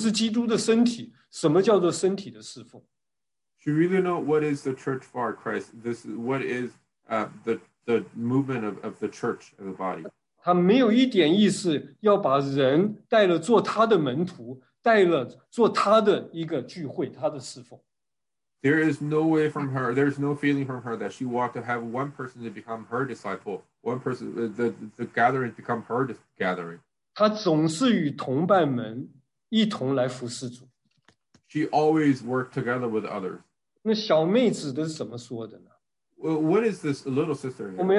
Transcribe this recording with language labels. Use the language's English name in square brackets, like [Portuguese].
[Chinese] 他真的认识什么是教会，什么是基督的身体，什么叫做身体的侍奉。 [English] She really know what is the church for Christ. This is what is the movement of the church and the body. [Chinese] 他没有一点意思要把人带了做他的门徒，带了做他的一个聚会，他的侍奉。 [English] There is no way from her, there is no feeling from her that she wanted to have one person to become her disciple, one person, the gathering become her gathering. [Chinese] 他总是与同伴们一同来服侍主。 [English] She always worked together with others. [Chinese] 那小妹子的是怎么说的呢？ [English] What is this little sister?